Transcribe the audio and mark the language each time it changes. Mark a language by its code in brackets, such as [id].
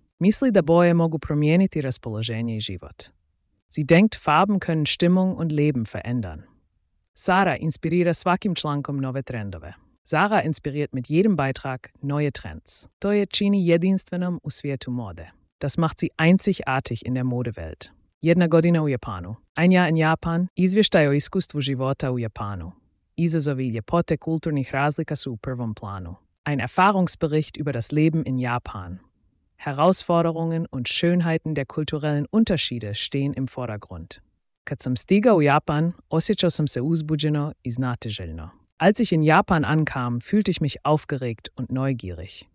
[hr] Misli da boje mogu promijeniti raspoloženje i život. [de] Sie denkt, Farben können Stimmung und Leben verändern. [hr] Sara inspirira svakim člankom nove trendove. [de] Sara inspiriert mit jedem Beitrag neue Trends. [hr] To je čini jedinstvenom u svijetu mode. [de] Das macht sie einzigartig in der Modewelt. [hr] Jedna godina u Japanu. [de] Ein Jahr in Japan. [hr] Izvještaj o iskustvu života u Japanu. Izazovi ljepote kulturnih razlika su u prvom planu. [de] Ein Erfahrungsbericht über das Leben in Japan. Herausforderungen und Schönheiten der kulturellen Unterschiede stehen im Vordergrund. [hr] Kad sam stigao u Japan, osjećao sam se uzbuđeno i znatiželjno. [de] Als ich in Japan ankam, fühlte ich mich aufgeregt und neugierig.